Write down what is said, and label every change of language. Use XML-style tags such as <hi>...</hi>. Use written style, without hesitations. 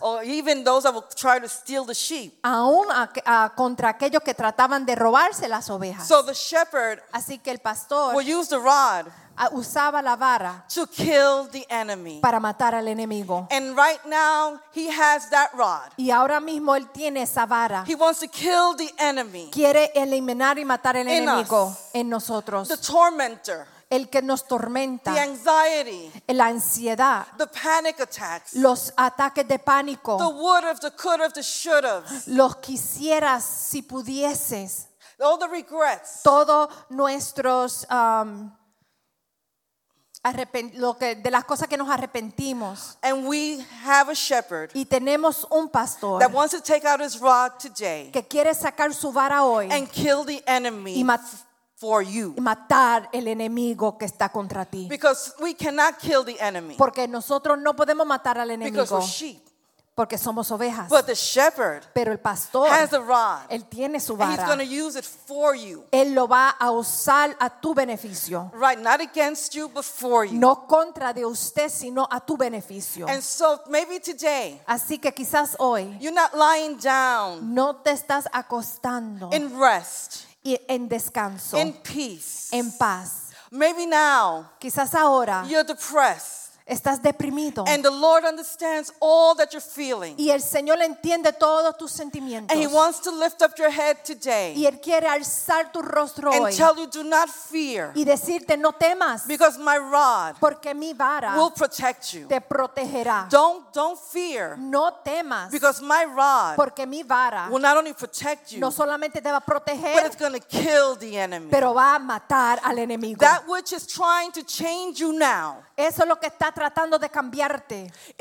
<en>or even those that would try to steal the sheep,</en> <es>aún contra aquellos que trataban de robarse las ovejas.</es> <en>So the shepherd,</en> <es>así que el pastor,</es> <en>would use the rod,</en> <es>usaba la vara,</es> <en>to kill the enemy,</en> <es>para matar al enemigo.</es> <en>And right now he has that rod,</en> <es>y ahora mismo él tiene esa vara.</es> <en>He wants to kill the enemy,</en> <es>quiere eliminar y matar al enemigo en nosotros.</es> <en>The tormentor,</en> <es>el que nos tormenta,</es> <en>the anxiety,</en> <es>la ansiedad,</es> <en>the panic attacks,</en> <es>los ataques de pánico,</es> <en>the would of, the could of, the should of,</en> <es>los quisieras si pudieses,</es> <en>all the regrets,</en> <es>todos nuestros de las cosas que nos arrepentimos.</es> <en>And we have a shepherd,</en> <es>y tenemos un pastor,</es> <en>that wants to take out his rod today,</en> <es>que quiere sacar su vara hoy,</es> <en>and kill the enemy,</en> <es>y</es> <en>for you,</en> <es>matar el enemigo que está contra ti.</es> <en>Because we cannot kill the enemy,</en> <es>porque nosotros no podemos matar al enemigo,</es> <en>because we're sheep,</en> <es>porque somos ovejas.</es> <en>But the shepherd,</en> <es>pero el pastor,</es> <en>has a rod,</en> <es>él tiene su vara,</es> <en>and he's going to use it for you,</en> <es>él lo va a usar a tu beneficio,</es> <en>right, not against you but for you,</en> <es>no contra de usted sino a tu beneficio.</es> <en>And so maybe today,</en> <es>así que quizás hoy,</es> <en>you're not lying down,</en> <es>no te estás acostando,</es> <en>in rest,</en> <es>en descanso,</es> <en>in peace,</en> <es>en paz.</es> <en>Maybe now,</en> <es>quizás ahora,</es> <en>you're depressed,</en> <es>estás deprimido,</es> <en>and the Lord understands all that you're feeling,</en> <es>y el Señor entiende todos tus sentimientos,</es> <en>and he wants to lift up your head today,</en> <es>y él quiere alzar tu rostro</es> <en>and</en> <es>hoy,</es> <en>tell you do not fear,</en> <es>y decirte no temas,</es> <en>because my rod,</en> <es>porque mi vara,</es> <en>will protect you,</en> <es>te protegerá.</es> <en>Don't fear,</en> <es>no temas,</es> <en>because my rod,</en> <es>porque mi vara,</es> <en>will not only protect you,</en> <es>no solamente te va a proteger,</es> <en>but it's going to kill the enemy,</en> <es>pero va a matar al enemigo.</es> <en>That which is trying to change you now,</en> <es>eso es lo que está tratando de cambiarte,</es>